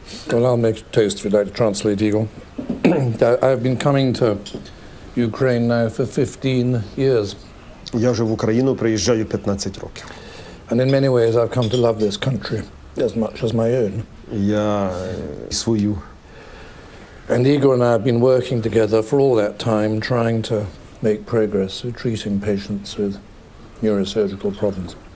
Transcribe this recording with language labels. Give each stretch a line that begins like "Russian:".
English: Well, I'll make toast if you'd like to translate, Igor. I've been coming to Ukraine now for 15 years.
Ukrainian: Я вже в Україну приїжджаю 15 років.
English: And in many ways I've come to love this country as much as my own.
Ukrainian: Я свою.
English: And Igor and I have been working together for all that time trying to make progress with treating patients with neurosurgical problems.